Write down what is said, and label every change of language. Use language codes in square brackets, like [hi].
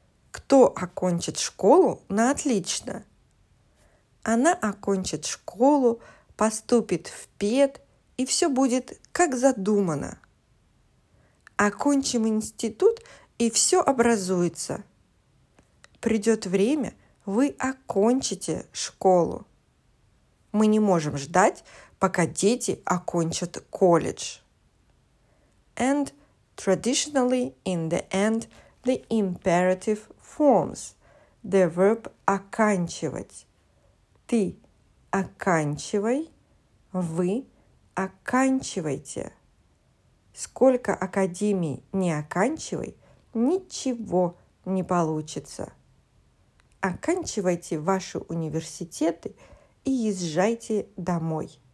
[ru] Кто окончит школу на отлично? Она окончит школу, поступит в ПЕД, и все будет как задумано. Окончим институт, и все образуется. Придет время, вы окончите школу. Мы не можем ждать, пока дети окончат колледж. [en] And traditionally, in the end, the imperative forms. The verb оканчивать. [ru] Ты оканчивай, вы оканчивайте. Сколько академий не оканчивай, ничего не получится. Оканчивайте ваши университеты и езжайте домой.